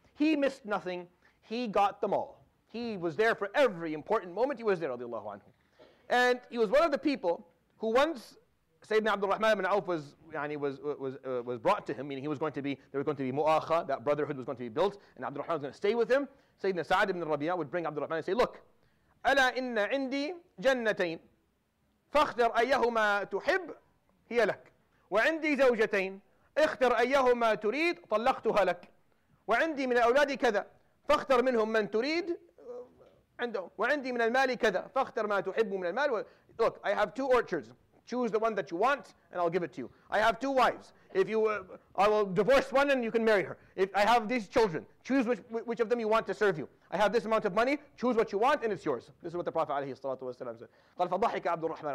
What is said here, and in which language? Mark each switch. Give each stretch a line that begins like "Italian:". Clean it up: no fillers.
English: He missed nothing, he got them all. He was there for every important moment, he was there, radiallahu anhu. And he was one of the people who once Sayyidina Abdul Rahman ibn Auf was brought to him, meaning he was going to be, there was going to be mu'akha, that brotherhood was going to be built, and Abdul Rahman was going to stay with him. Sayyidina Sa'd ibn Rabi'ah would bring Abdul Rahman and say, look,
Arabic: أَلَا إِنَّ عِنْدِي جَنَّتَيْنِ فَاخْتَرْ أَيَّهُمَا تُحِبْ هِيَ لَكَ وعندي زوجتين اختر أيهما تريد طلقتها لك وعندي من الأولاد كذا فاختر منهم من تريد عندهم وعندي من المال كذا فاختر ما تحب من المال.
English: Look, I have two orchards. Choose the one that you want and I'll give it to you. I have two wives. If you, I will divorce one and you can marry her. If I have these children. Choose which of them you want to serve you. I have this amount of money. Choose what you want and it's yours. This is what the Prophet
Arabic: عليه الصلاة والسلام
English: said.
Arabic: قال فضحك عبد الرحمن.